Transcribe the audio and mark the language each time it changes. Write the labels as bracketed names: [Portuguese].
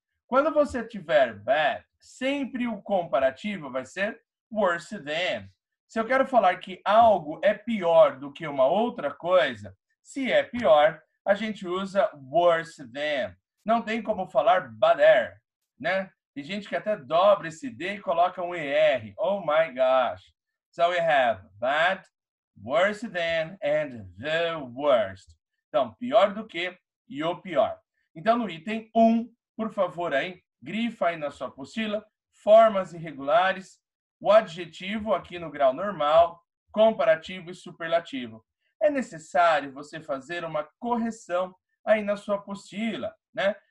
[Portuguese] Quando você tiver bad, sempre o comparativo vai ser worse than. Se eu quero falar que algo é pior do que uma outra coisa, se é pior, a gente usa worse than. Não tem como falar badder, né? Tem gente que até dobra esse D e coloca um ER. [English] Oh my gosh. So we have bad, worse than, and the worst. [Portuguese] Então, pior do que e o pior. Então, no item 1, por favor, aí, grifa aí na sua apostila, formas irregulares, o adjetivo aqui no grau normal, comparativo e superlativo. É necessário você fazer uma correção aí na sua apostila, né?